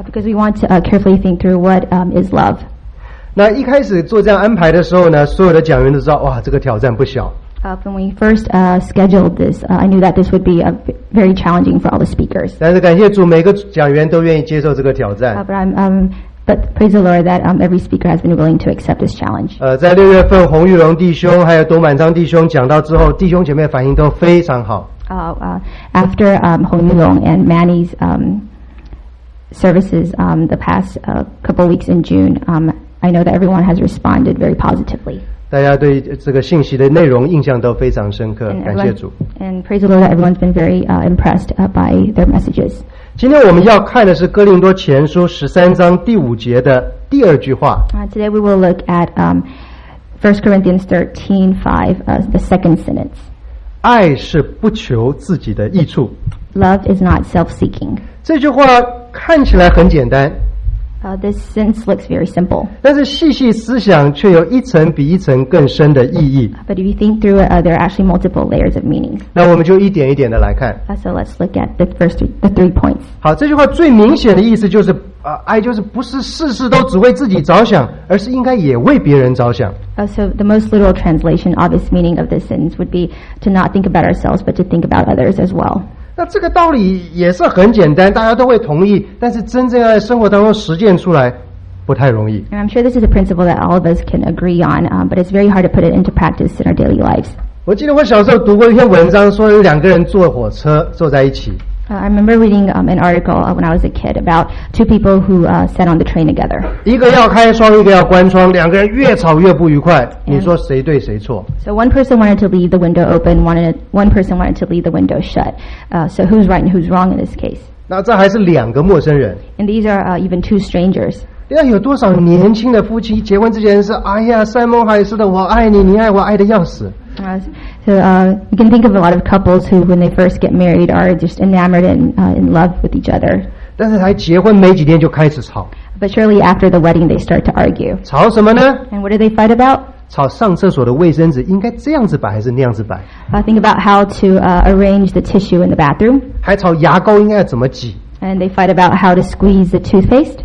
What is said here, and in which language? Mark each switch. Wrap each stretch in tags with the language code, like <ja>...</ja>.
<en>Because we want to carefully think through what is love.</en> <zh>那一开始做这样安排的时候呢，所有的讲员都知道，哇，这个挑战不小。</zh> <en>When we first scheduled this, I knew that this would be very challenging for all the speakers.</en> <zh>但是感谢主，每个讲员都愿意接受这个挑战。</zh> <en>But praise the Lord that every speaker has been willing to accept this challenge.</en> <zh>在六月份，洪玉龙弟兄还有董满章弟兄讲到之后，弟兄姐妹反应都非常好。</zh> <en>After Hong Yulong and Manny's services, the past couple weeks in June, I know that everyone has responded very positively.</en> <zh>大家对这个信息的内容印象都非常深刻，感谢主。</zh> <en>And praise the Lord, everyone's been very impressed by their messages.</en> <zh>今天我们要看的是哥林多前书十三章第五节的第二句话。</zh> <en>Today we will look at 1 Corinthians 13:5, the second sentence.</en> <zh>爱是不求自己的益处。</zh> <en>Love is not self-seeking.</en> <zh>这句话看起来很简单。</zh> <en>This sense looks very simple.</en> <zh>但是细细思想却有一层比一层更深的意义。</zh> <en>But if you think through it, there are actually multiple layers of meaning.</en> <zh>那我们就一点一点的来看。</zh> <en>So let's look at the first the three points.</en> <zh>好，这句话最明显的意思就是，爱就是不是事事都只为自己着想，而是应该也为别人着想。</zh> <en>So the most literal translation, obvious meaning of this sentence would be to not think about ourselves, but to think about others as well.</en> <zh>那这个道理也是很简单，大家都会同意，但是真正在生活当中实践出来不太容易。</zh> <en>And I'm sure this is a principle that all of us can agree on, but it's very hard to put it into practice in our daily lives.</en> <zh>我记得我小时候读过一篇文章，说有两个人坐火车坐在一起。</zh> <en>I remember reading an article when I was a kid about two people who sat on the train together.</en> <zh>一个要开窗，一个要关窗，两个人越吵越不愉快。你说谁对谁错</zh> <en>？So one person wanted to leave the window open, one person wanted to leave the window shut. So who's right and who's wrong in this case?</en> <zh>那这还是两个陌生人。</zh> <en>And these are even two strangers.</en> <zh>那有多少年轻的夫妻结婚之前是哎呀山盟海誓的我爱你，你爱我爱的要死。</zh> <en>So you can think of a lot of couples who, when they first get married, are just enamored and in love with each other.</en> <zh>但是才结婚没几天就开始吵。</zh> <en>But surely after the wedding, they start to argue.</en> <zh>吵什么呢？</zh> <en>And what do they fight about?</en> <zh>吵上厕所的卫生纸应该这样子摆还是那样子摆？</zh> <en>Think about how to arrange the tissue in the bathroom.</en> <zh>还吵牙膏应该怎么挤？</zh> <en>And they fight about how to squeeze the toothpaste.</en>